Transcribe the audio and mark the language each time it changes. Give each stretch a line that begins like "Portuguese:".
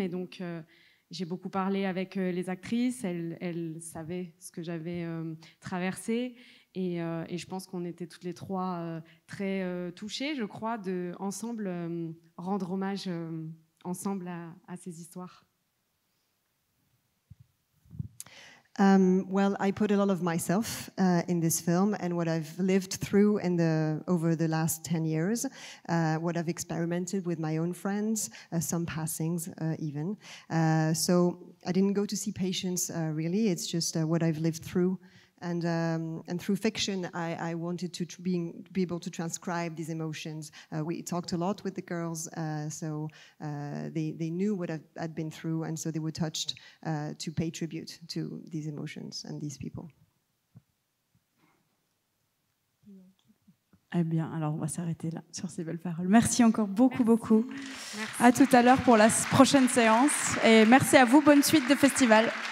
French: Et donc, j'ai beaucoup parlé avec les actrices. Elles savaient ce que j'avais traversé. Et je pense qu'on était toutes les trois très touchées, je crois, de ensemble rendre hommage ensemble à ces histoires.
English: Well, I put a lot of myself in this film and what I've lived through in over the last 10 years, what I've experimented with my own friends, some passings even. So I didn't go to see patients really. It's just what I've lived through. And through fiction, I wanted to be able to transcribe these emotions. We talked a lot with the girls, so they knew what I'd been through, and so they were touched to pay tribute to these emotions and these people.
French: Eh bien, alors on va s'arrêter là sur ces belles paroles. Merci encore beaucoup, merci. Beaucoup. Merci. À tout à l'heure pour la prochaine séance, et merci à vous. Bonne suite de festival.